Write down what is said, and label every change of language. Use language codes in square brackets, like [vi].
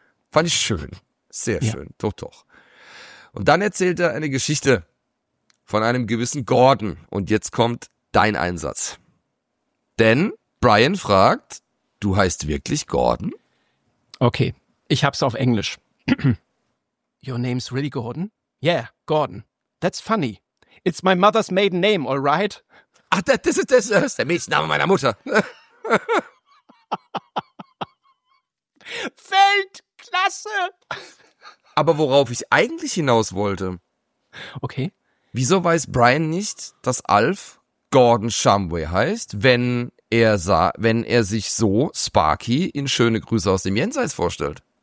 [de] Fand ich schön. Sehr schön. Ja. Doch. Und dann erzählt er eine Geschichte von einem gewissen Gordon. Und jetzt kommt dein Einsatz. Denn Brian fragt, du heißt wirklich Gordon? Okay, ich hab's auf Englisch. [en] Your name's really Gordon? Yeah, Gordon. That's funny. It's my mother's maiden name, all right? [de] Ach, das ist der Mädchenname meiner Mutter. Weltklasse! Aber worauf ich eigentlich hinaus wollte. Okay. Wieso weiß Brian nicht, dass Alf Gordon Shumway heißt, wenn er sich so Sparky in Schöne Grüße aus dem Jenseits vorstellt?